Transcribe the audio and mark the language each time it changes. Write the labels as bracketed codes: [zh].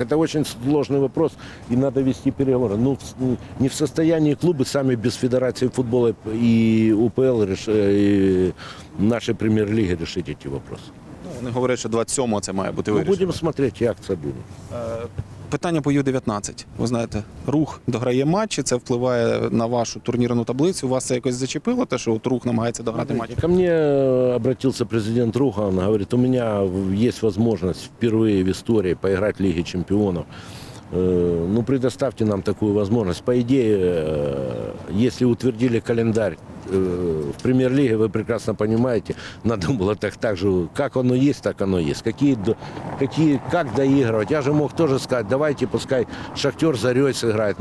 [ru] Это очень сложный вопрос, и надо вести переговоры. Ну, не в состоянии клубы сами без Федерации футбола и УПЛ и нашей премьер-лиги решить эти вопросы. Ну, они говорят, что 27-го это [uk] має бути вирішено. [ru] Будем смотреть, как это будет. [uk] Питання по Ю-19. Ви знаєте, Рух дограє матчі, це впливає на вашу турнірну таблицю. Вас це якось зачепило, те, що от Рух намагається дограти матчі? Ко мені обратився президент Руха, він говорить, у мене є можливість вперше в історії поіграти в Лігу чемпіонів. [ru] Ну, предоставьте нам такую возможность. По идее, если утвердили календарь в премьер-лиге, вы прекрасно понимаете, надо было так же, как оно есть, так оно есть. Как доигрывать? Я же мог тоже сказать, давайте пускай Шахтер Зарей сыграет.